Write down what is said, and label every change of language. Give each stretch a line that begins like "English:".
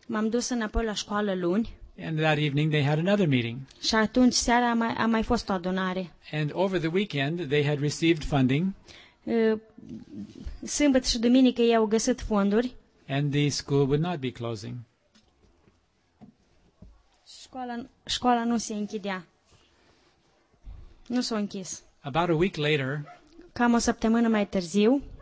Romanian: M-am dus înapoi la școală luni.
English: And that evening they had another meeting.
Romanian: Și atunci seara a mai fost o adunare.
English: And over the weekend they had received funding.
Romanian: Sâmbătă și duminică ei au găsit fonduri.
English: And the school would not be closing.
Romanian: Școala nu se închidea. Nu s-a închis.
English: About a week later.
Romanian: Cam o săptămână mai târziu.